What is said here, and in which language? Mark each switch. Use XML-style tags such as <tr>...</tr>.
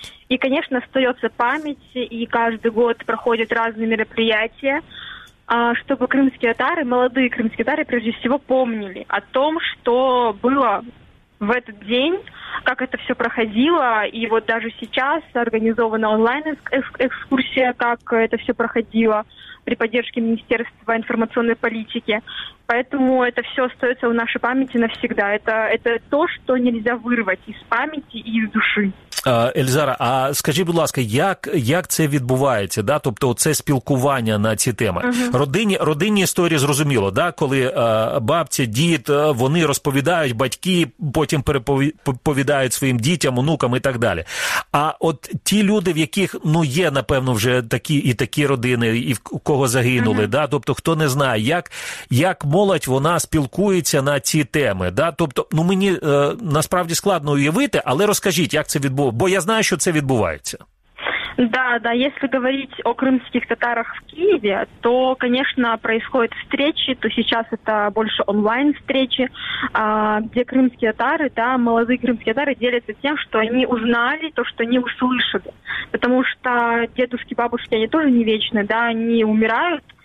<ru>И, конечно, остается память, и каждый год проходят разные мероприятия, чтобы крымские татары, молодые крымские татары, прежде всего, помнили о том, что было в этот день, как это все проходило, и вот даже сейчас организована онлайн-экскурсия, как это все проходило при поддержке Министерства информационной политики. Поэтому это все остается в нашей памяти навсегда. Это то, что нельзя вырвать из памяти и из души.</ru> <uk>Ельзара, а скажіть, будь ласка, як це відбувається, да? Тобто це спілкування на ці теми? Uh-huh. Родинні історії зрозуміло, да? Коли бабці, дід, вони розповідають, батьки потім переповідають своїм дітям, онукам і так далі. А от ті люди, в яких, ну, є, напевно, вже такі і такі родини, і в кого загинули, uh-huh. да? Тобто хто не знає, як молодь вона спілкується на ці теми, да? Тобто, ну, мені насправді складно уявити, але розкажіть, як це відбувається? Бо я знаю, що це відбувається.</uk> <ru>Да, да, если говорить о крымских татарах в Киеве, то, конечно, происходят встречи, то сейчас это больше онлайн-встречи, где крымские татары, да, молодые крымские татары делятся тем, что они узнали то, что они услышали. Потому что дедушки, бабушки, они тоже не вечны, да, они умирают.</ru>